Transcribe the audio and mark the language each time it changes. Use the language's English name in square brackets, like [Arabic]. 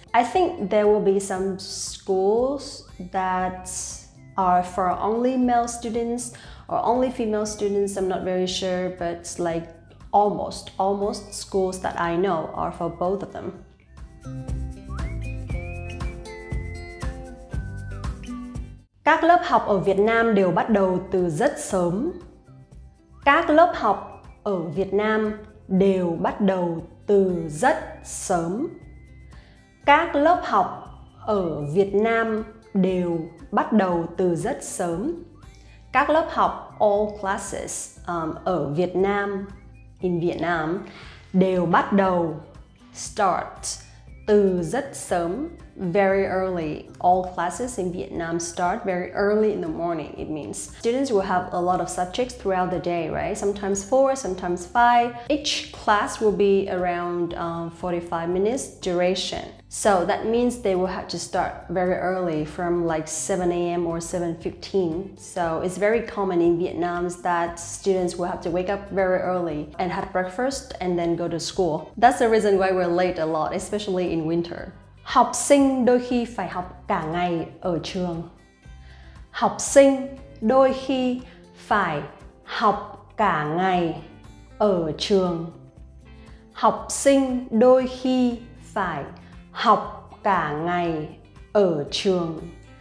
[English] I think there will be some schools that are for only male students or only female students, I'm not very sure, but like almost schools that I know are for both of them. [Vietnamese] Các lớp học ở Việt Nam đều bắt đầu từ rất sớm. Các lớp học ở Việt Nam đều bắt đầu từ rất sớm. Các lớp học ở Việt Nam đều bắt đầu từ rất sớm. Các lớp học [English] all classes [Vietnamese] ở Việt Nam [English] in Vietnam [Vietnamese] đều bắt đầu start từ rất sớm, [English] very early. All classes in Vietnam start very early in the morning. It means students will have a lot of subjects throughout the day, right? Sometimes 4, sometimes 5. Each class will be around 45 minutes duration. So that means they will have to start very early, from like 7 a.m. or 7:15. So it's very common in Vietnam that students will have to wake up very early and have breakfast and then go to school. That's the reason why we're late a lot, especially in winter. [Vietnamese] Học sinh đôi khi phải học cả ngày ở trường. Học sinh đôi khi phải học cả ngày ở trường. Học sinh đôi khi phải học cả ngày ở trường.